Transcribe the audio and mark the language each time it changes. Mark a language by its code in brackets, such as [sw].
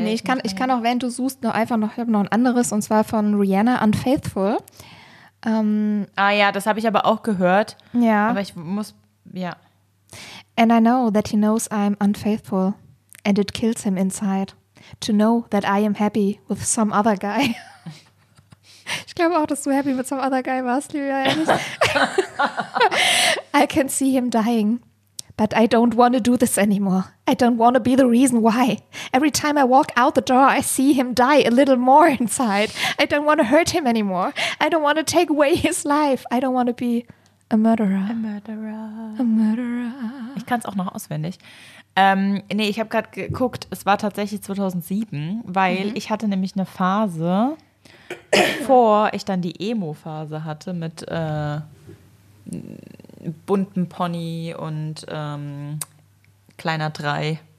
[de] Nee, ich kann auch, während du suchst, nur einfach noch, ich habe noch ein anderes, und zwar von Rihanna Unfaithful. Ah ja, das habe ich aber auch gehört. Ja. Aber ich muss, ja. [en] And I know that he knows I'm unfaithful, and it kills him inside to know that I am happy with some other guy. [de] Ich glaube auch, dass du happy mit [en] some other guy [de] warst, Livia. [en] I can see him dying. But I don't want to do this anymore. I don't want to be the reason why. Every time I walk out the door, I see him die a little more inside. I don't want to hurt him anymore. I don't want to take away his life. I don't want to be a murderer. A murderer. A murderer. [de] Ich kann es auch noch auswendig. Nee, ich habe gerade geguckt, es war tatsächlich 2007, weil ich hatte nämlich eine Phase, bevor ich dann die Emo-Phase hatte mit bunten Pony und kleiner 3.